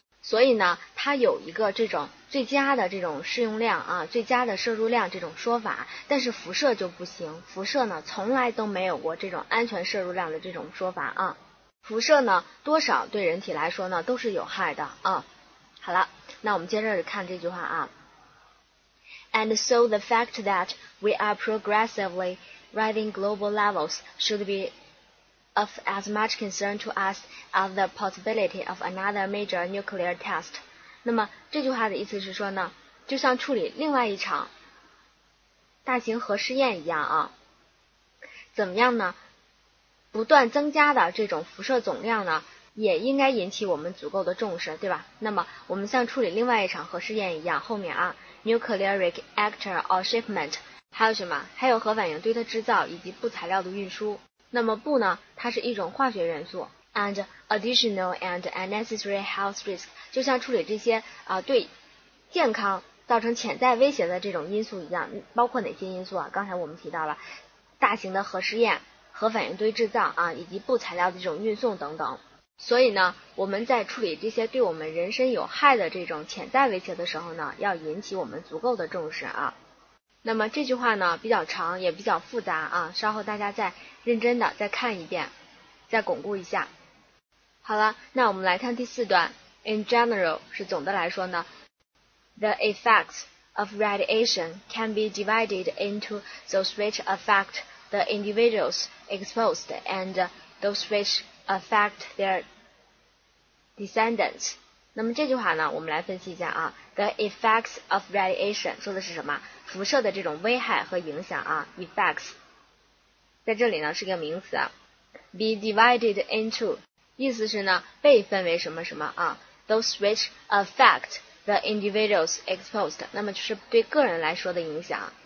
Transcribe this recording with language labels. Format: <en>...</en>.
<zh>所以呢它有一个这种最佳的这种适用量啊，最佳的摄入量这种说法，但是辐射就不行，辐射呢从来都没有过这种安全摄入量的这种说法啊。辐射呢多少对人体来说呢都是有害的啊。好了，那我们接着看这句话啊。</zh> <en>And so the fact that we are progressively rising global levels should be of as much concern to us as the possibility of another major nuclear test.</en> <zh>那么这句话的意思是说呢，就像处理另外一场大型核试验一样啊，怎么样呢？不断增加的这种辐射总量呢，也应该引起我们足够的重视，对吧？那么我们像处理另外一场核试验一样，后面啊。</zh> <en>Nuclear reactor or shipment</en> <zh>还有什么？还有核反应堆的制造以及布材料的运输。那么布呢，它是一种化学元素。</zh> <en>And additional and unnecessary health risk</en> <zh>就像处理这些对健康造成潜在威胁的这种因素一样。包括哪些因素啊？刚才我们提到了大型的核试验、核反应堆制造啊，以及布材料的这种运送等等。所以呢，我们在处理这些对我们人身有害的这种潜在威胁的时候呢，要引起我们足够的重视啊。那么这句话呢比较长，也比较复杂啊，稍后大家再认真的再看一遍，再巩固一下。好了，那我们来看第四段。</zh> <en>In general,</en> <zh>是总的来说呢，</zh> <en>The effects of radiation can be divided into those which affect the individuals exposed and those which affect their descendants.</en> <zh>那么这句话呢，我们来分析一下啊。</zh> <en>The effects of radiation</en> <zh>说的是什么？辐射的这种危害和影响啊。 Effects 在这里呢是个名词。</zh> <en>Be divided into</en> <zh>意思是呢被分为什么什么啊。</zh> <en>Those which affect the individuals exposed,</en> <zh>那么就是对个人来说的影响。</zh>